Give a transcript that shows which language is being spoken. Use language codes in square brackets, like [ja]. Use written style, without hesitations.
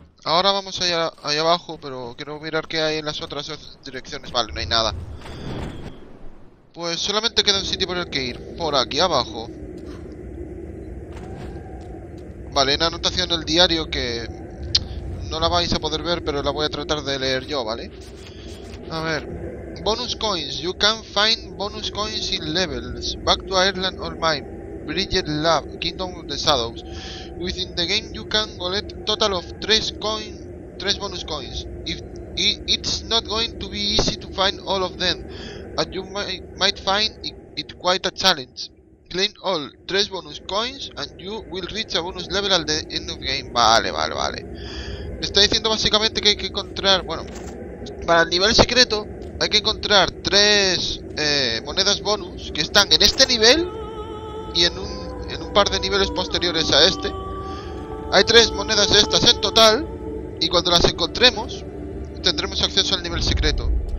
[es] Ahora vamos allá abajo, pero quiero mirar qué hay en las otras direcciones. Vale, no hay nada. Pues solamente queda un sitio por el que ir. Por aquí abajo. Vale, una anotación del diario que no la vais a poder ver, pero la voy a tratar de leer yo, ¿vale? A ver. [en] Bonus coins. You can find bonus coins in levels. Back to Ireland or Mine. Bridget Lab. Kingdom of the Shadows. Within the game you can collect total of 3 bonus coins. It's not going to be easy to find all of them. As you might find it quite a challenge. Claim all 3 bonus coins and you will reach a bonus level at the end of game. [es] Vale. Me está diciendo básicamente que hay que encontrar, bueno, para el nivel secreto hay que encontrar 3 monedas bonus que están en este nivel y en un par de niveles posteriores a este. Hay 3 monedas de estas en total y cuando las encontremos tendremos acceso al nivel secreto.